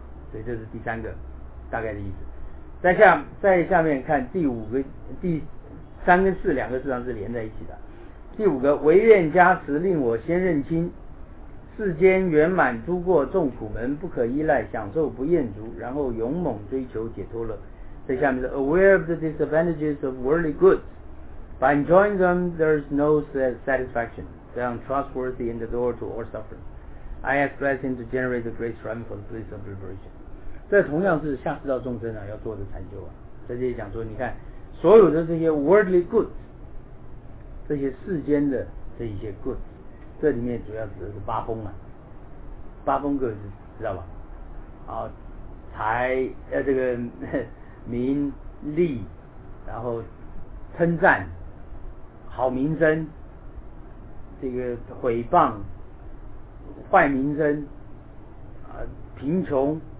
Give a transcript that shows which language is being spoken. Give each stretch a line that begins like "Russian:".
Chinese: 所以这是第三个大概的意思。再下面看第五个，第三跟四两个事实上是连在一起的。第五个，唯愿加持令我先认清世间圆满诸过众苦门，不可依赖享受不厌足，然后勇猛追求解脱乐。这下面是
English: aware of the disadvantages of worldly goods, by enjoying them there is no satisfaction, they are trustworthy in the door to all suffering, I ask blessing to generate the great shrine for the bliss of liberation.
Chinese: 这同样是下士道众生啊要做的禅修啊。在这里讲说，你看所有的这些
English: worldly goods,
Chinese: 这些世间的这一些 goods,这里面主要指的是八风啊，八风各知道吧？啊，财这个名利，然后称赞、好名声，这个毁谤、坏名声啊，贫穷